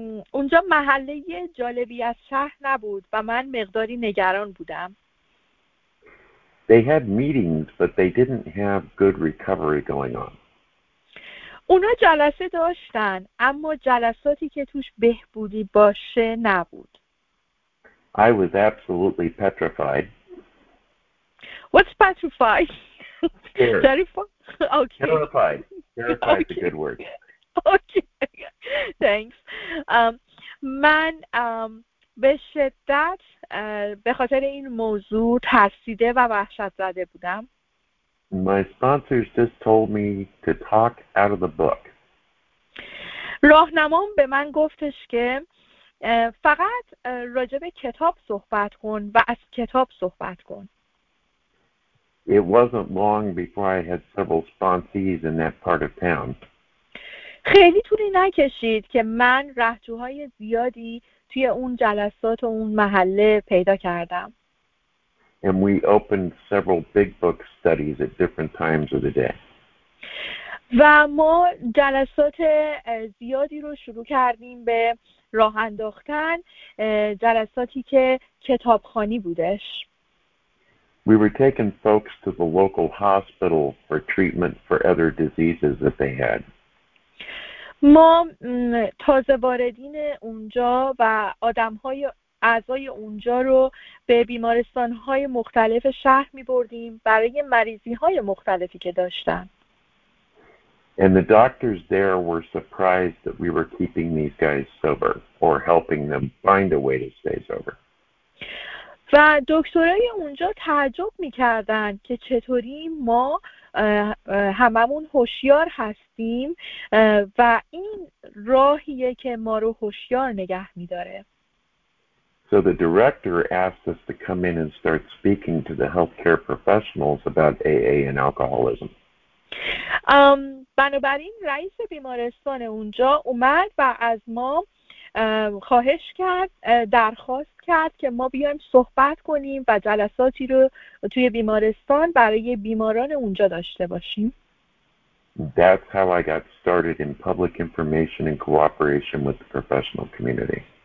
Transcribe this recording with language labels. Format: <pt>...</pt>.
<fa>اونجا محله جالبی از شهر نبود و من مقداری نگران بودم.</fa> <en>They had meetings, but they didn't have good recovery going on.</en> <fa>اونا جلسه داشتن، اما جلساتی که توش بهبودی باشه نبود.</fa> <en>I was absolutely petrified. What's petrified? Terrified. Okay. Terrified. Terrified is a good word. Okay. Thanks.</en> <fa>من به شدت به خاطر این موضوع ترسیده و وحشت زده بودم.</fa> <en>My sponsors just told me to talk out of the book.</en> <fa>راهنمام به من گفتش که فقط راجب کتاب صحبت کن و از کتاب صحبت کن.</fa> <en>It wasn't long before I had several sponsees in that part of town.</en> <fa>خیلی طولی نکشید که من رهجوهای زیادی توی اون جلسات و اون محله پیدا کردم.</fa> <en>And we opened several big book studies at different times of the day.</en> <fa>و ما جلسات زیادی رو شروع کردیم به راه انداختن، جلساتی که کتابخوانی بودش.</fa> <en>We were taking folks to the local hospital for treatment for other diseases that they had.</en> <fa>ما تازه واردین اونجا و آدم‌های اعضای اونجا رو به بیمارستان‌های مختلف شهر می‌بردیم برای مریضی‌های مختلفی که داشتن.</fa> <en>And the doctors there were surprised that we were keeping these guys sober or helping them find a way to stay sober.</en> <fa>و دکترای اونجا تعجب می‌کردن که چطوری ما هممون هوشیار هستیم و این راهیه که ما رو هوشیار نگه می‌داره.</fa> <en>So the director asked us to come in and start speaking to the healthcare professionals about AA and alcoholism.</en> <fa>بنابراین رئیس بیمارستان اونجا اومد و از ما خواهش کرد، درخواست کرد که ما بیایم صحبت کنیم و جلساتی رو توی بیمارستان برای بیماران اونجا داشته باشیم.</fa> <en>That's how I got started in public information and cooperation with the professional community.</en>